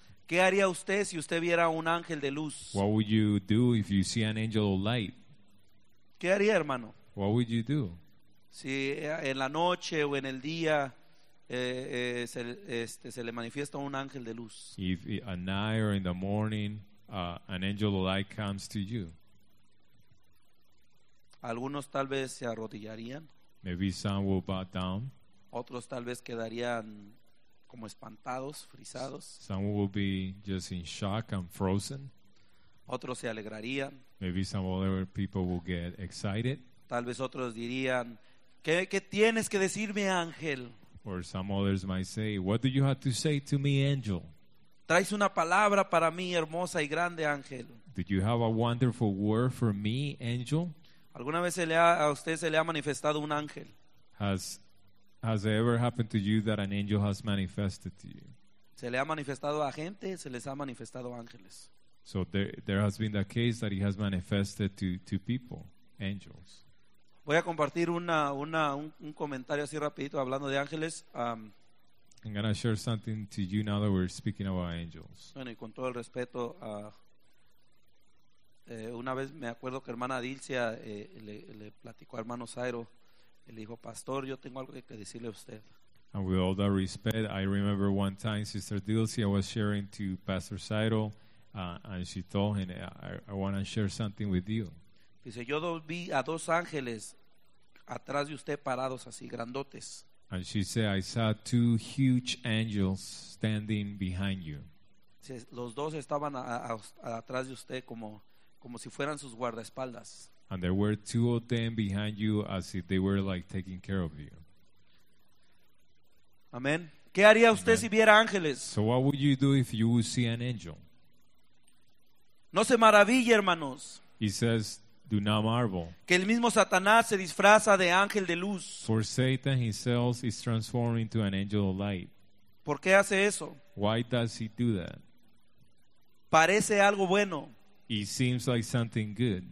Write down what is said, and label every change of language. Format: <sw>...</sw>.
<es>¿Qué haría usted si usted viera un ángel de luz?</es> <en>What would you do if you see an angel of light?</en> <es>¿Qué haría, hermano?</es> <en>What would you do?</en> <es>Si en la noche o en el día se le manifiesta un ángel de luz.</es> <en>If at night or in the morning, an angel of light comes to you.</en> <es>Algunos tal vez se arrodillarían.</es> <en>Maybe some will bow down.</en> <es>Otros tal vez quedarían como espantados, frisados.</es> <en>Some will be just in shock and frozen.</en> <es>Otros se alegrarían.</es> <en>Maybe some other people will get excited.</en> <es>Tal vez otros dirían, ¿qué tienes que decirme, ángel?</es> <en>Or some others might say, what do you have to say to me, angel?</en> <es>Traes una palabra para mí, hermosa y grande, ángel.</es> <en>Did you have a wonderful word for me, angel?</en> <es>¿Alguna vez a usted se le ha manifestado un ángel?</es> <en>Has it ever happened to you that an angel has manifested to you?</en> <es>Se le ha manifestado a gente, se les ha manifestado ángeles.</es> <en>So there has been the case that he has manifested to people, angels.</en> <es>Voy a compartir un comentario así rapidito hablando de ángeles.</es> <en>I'm going to share something to you now that we're speaking about angels.</en> <es>Bueno, y con todo el respeto, una vez me acuerdo que hermana Dilcia le platicó a hermano Zairo, le dijo, pastor, yo tengo algo que decirle a usted.</es> <en>And with all that respect, I remember one time Sister Dilcia was sharing to Pastor Zairo, and she told him, I want to share something with you.</en> <es>Dice, yo vi a dos ángeles atrás de usted parados así, grandotes.</es> <en>And she said, I saw two huge angels standing behind you.</en> <es>Dice, los dos estaban atrás de usted como si fueran sus guardaespaldas.</es> <en>And there were two of them behind you as if they were like taking care of you.</en> <es>Amén. ¿Qué haría usted si viera ángeles?</es> <en>So what would you do if you would see an angel?</en> <es>No se maraville, hermanos.</es> <en>He says, do not marvel.</en> <es>Que el mismo Satanás se disfraza de ángel de luz.</es> <en>For Satan himself is transformed into an angel of light.</en> <es>¿Por qué hace eso?</es> <en>Why does he do that?</en> <es>Parece algo bueno.</es> <en>It seems like something good.</en>